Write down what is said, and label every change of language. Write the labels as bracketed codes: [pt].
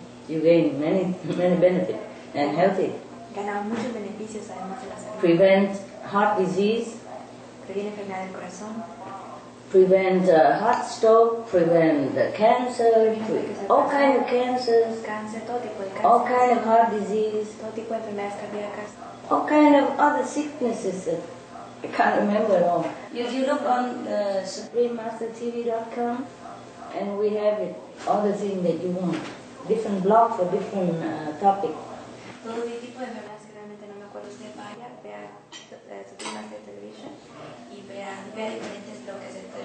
[en] You gain many benefits and healthy. [es] Gana muchos beneficios además de la salud. [en] Prevent heart disease. [es] Previene enfermedad del corazón. [en] Prevent heart stroke, prevent cancer, all kind of cancers, [es] cancer, todo tipo de [en] all kind of heart disease, [es] todo tipo de enfermedades cardíacas, [en] all kind of other sicknesses that I can't remember all. If you look on SupremeMasterTV.com and we have it, all the things that you want, different blog for different topic. [es] Todo tipo de enfermedades que realmente no me acuerdo, usted vaya, vea SupremeMaster Television y vea diferentes bloques.